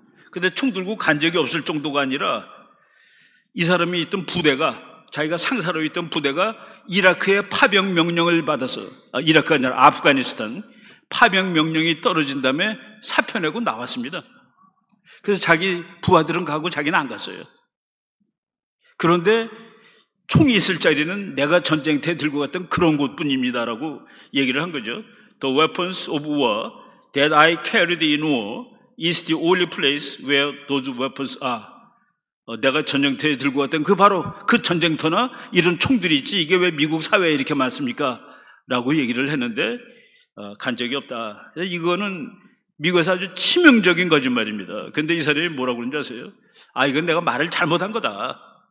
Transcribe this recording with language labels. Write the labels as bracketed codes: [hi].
[ko] 근데 총 들고 간 적이 없을 정도가 아니라, 이 사람이 있던 부대가, 자기가 상사로 있던 부대가 이라크에 파병 명령을 받아서, 이라크가 아니라 아프가니스탄 파병 명령이 떨어진 다음에 사표 내고 나왔습니다. 그래서 자기 부하들은 가고 자기는 안 갔어요. 그런데 총이 있을 자리는 내가 전쟁터에 들고 갔던 그런 곳뿐입니다라고 얘기를 한 거죠. [en] The weapons of war that I carried in war is the only place where those weapons are. [ko] 내가 전쟁터에 들고 갔던 그 바로 그 전쟁터나 이런 총들이 있지, 이게 왜 미국 사회에 이렇게 많습니까? 라고 얘기를 했는데 간 적이 없다. 이거는 미국에서 아주 치명적인 거짓말입니다. 그런데 이 사람이 뭐라고 그런지 아세요? 아, 이건 내가 말을 잘못한 거다.